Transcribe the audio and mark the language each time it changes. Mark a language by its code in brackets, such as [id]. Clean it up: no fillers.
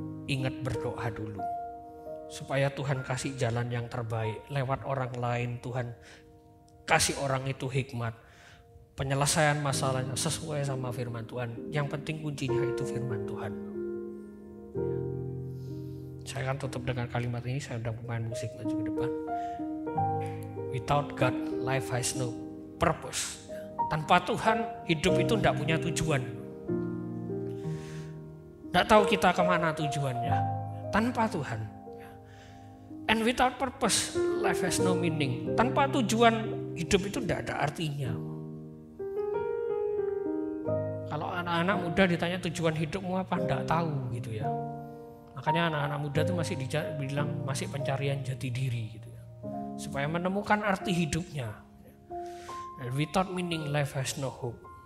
[id] Ingat berdoa dulu. Supaya Tuhan kasih jalan yang terbaik. Lewat orang lain Tuhan kasih orang itu hikmat. Penyelesaian masalahnya sesuai sama firman Tuhan. Yang penting kuncinya itu firman Tuhan. Saya akan tutup dengan kalimat ini. Saya sudah pemain musik maju ke depan. [en] Without God, life has no purpose. [id] Tanpa Tuhan, hidup itu tidak punya tujuan. Tidak tahu kita kemana tujuannya. Tanpa Tuhan. [en] And without purpose, life has no meaning. [id] Tanpa tujuan, hidup itu tidak ada artinya. Kalau anak-anak muda ditanya tujuan hidupmu apa, tidak tahu gitu ya. Makanya anak-anak muda itu masih dibilang masih pencarian jati diri gitu ya. Supaya menemukan arti hidupnya. [en] And without meaning, life has no hope.